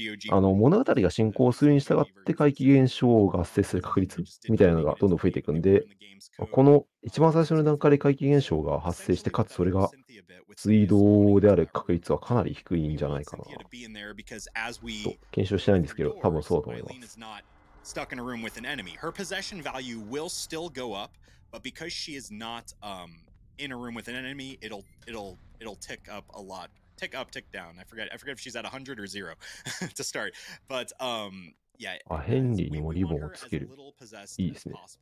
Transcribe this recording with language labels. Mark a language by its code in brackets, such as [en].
[ja] 物語が進行するに従って怪奇現象が発生する確率みたいなのがどんどん増えていくんで、この一番最初の段階で怪奇現象が発生して、かつそれが水道である確率はかなり低いんじゃないかなと検証してないんですけど、多分そうだと思います。 [en] Stuck in a room with an enemy, her possession value will still go up, but because she is not in a room with an enemy, it'll tick up a lot, tick down. I forget if she's at 100 or 0 to start, but yeah. [ja] ヘンリーにもリボンをつける。いいですね。